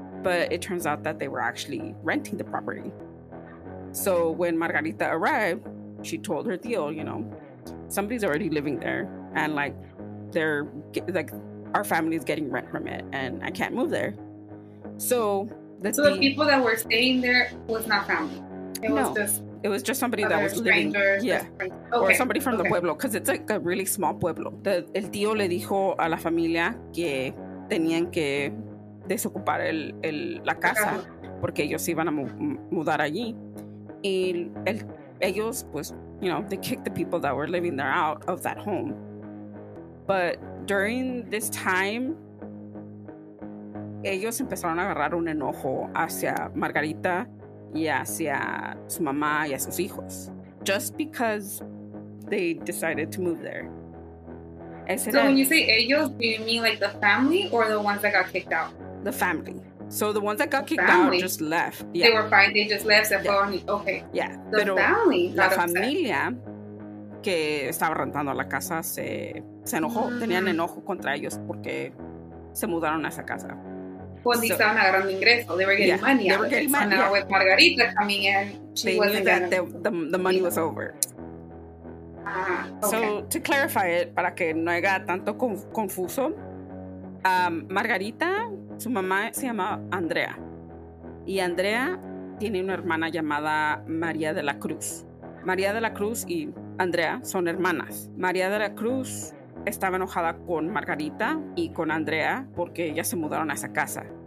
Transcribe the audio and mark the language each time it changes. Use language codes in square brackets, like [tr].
[en] But it turns out that they were actually renting the property. So when Margarita arrived, she told her tío, you know, somebody's already living there, and like our family is getting rent from it, and I can't move there. So the people that were staying there was not family. It was just somebody that was living. Yeah, okay. Or somebody from the pueblo, because it's like a really small pueblo. [es] El tío le dijo a la familia que tenían que desocupar la casa porque ellos iban a mudar allí. Y ellos, pues, [en] you know, they kicked the people that were living there out of that home. But during this time, [es] ellos empezaron a agarrar un enojo hacia Margarita y hacia su mamá y a sus hijos. [en] Just because they decided to move there. When you say ellos, do you mean like the family or the ones that got kicked out? The family. So the ones that got kicked out just left. Yeah. They were fine. They just left. Okay. Yeah. [es] La familia que estaba rentando la casa se enojó. Mm-hmm. Tenían enojo contra ellos porque se mudaron a esa casa. Cuando estaban agarrando ingresos. [en] They were getting money. They were getting money. Now with Margarita coming in, she wasn't getting money. The money was over. So to clarify it, [es] para que no haya tanto confuso, Margarita, su mamá se llama Andrea, y Andrea tiene una hermana llamada María de la Cruz. María de la Cruz y Andrea son hermanas. María de la Cruz estaba enojada con Margarita y con Andrea porque ellas se mudaron a esa casa.